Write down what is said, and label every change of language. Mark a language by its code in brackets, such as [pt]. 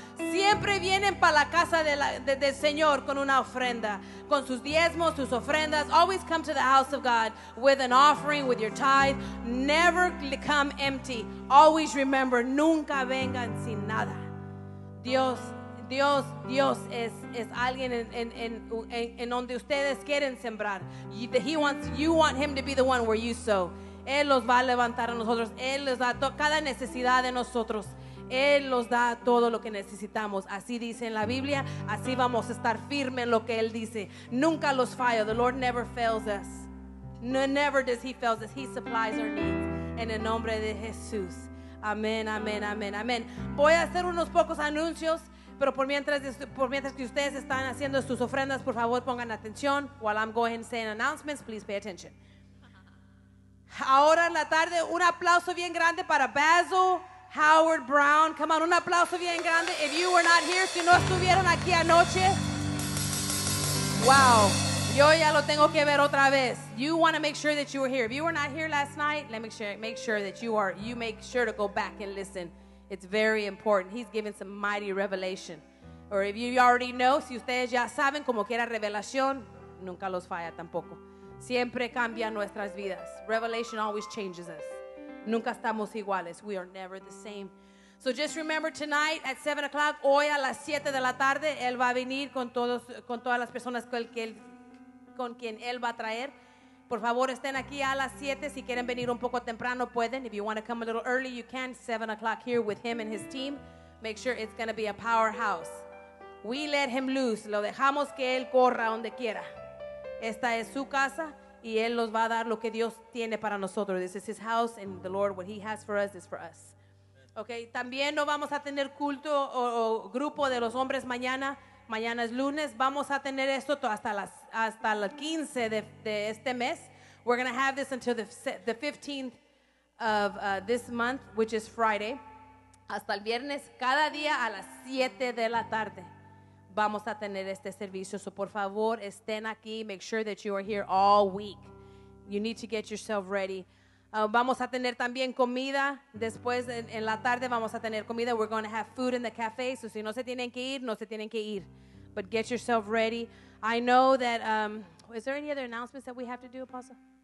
[es] Siempre vienen para la casa del Señor con una ofrenda, con sus diezmos, sus ofrendas. [en] Always come to the house of God with an offering, with your tithe. Never come empty. Always remember, [es] nunca vengan sin nada. Dios, Dios, Dios es alguien en donde ustedes quieren sembrar. [en] You want him to be the one where you sow. [es] Él los va a levantar a nosotros. Él les da cada necesidad de nosotros. Él los da todo lo que necesitamos. Así dice en la Biblia. Así vamos a estar firmes en lo que Él dice. Nunca los falla. [en] The Lord never fails us. No, never does He fail us. He supplies our needs. [es] En el nombre de Jesús. Amén, amén, amén, amén. Voy a hacer unos pocos anuncios. Pero por mientras que ustedes están haciendo sus ofrendas, por favor pongan atención. [en] While I'm going and saying announcements, please pay attention. [es] Ahora en la tarde, un aplauso bien grande para Basil Howard Brown. [en] Come on, [es] un aplauso bien grande. [en] If you were not here, [es] si no estuvieron aquí anoche. Wow, yo ya lo tengo que ver otra vez. [en] You want to make sure that you were here. If you were not here last night, let me make sure that you are. You make sure to go back and listen. It's very important. He's given some mighty revelation. Or if you already know, [es] si ustedes ya saben, como quiera revelación, nunca los falla tampoco. Siempre cambian nuestras vidas. [en] Revelation always changes us. [es] Nunca estamos iguales. [en] We are never the same. So just remember tonight at 7 o'clock, [es] hoy a las 7 de la tarde, Él va a venir con todas las personas con quien Él va a traer. Por favor, estén aquí a las 7. Si quieren venir un poco temprano, pueden. [en] If you want to come a little early, you can. 7 o'clock here with Him and His team. Make sure it's going to be a powerhouse. We let Him loose. [es] Lo dejamos que Él corra donde quiera. Esta es su casa y Él nos va a dar lo que Dios tiene para nosotros. [en] This is His house and the Lord, what He has for us is for us. [es] Okay, también no vamos a tener culto o grupo de los hombres mañana. Mañana es lunes. Vamos a tener esto hasta el 15 de este mes. [en] We're going to have this until the 15th of this month, which is Friday. [es] Hasta el viernes, cada día a las 7 de la tarde. Vamos a tener este servicio. So, por favor, estén aquí. [en] Make sure that you are here all week. You need to get yourself ready. [es] Vamos a tener también comida. Después, en la tarde, vamos a tener comida. [en] We're going to have food in the cafe. [es] So, si no se tienen que ir, no se tienen que ir. [en] But get yourself ready. I know that, is there any other announcements that we have to do, Apostle?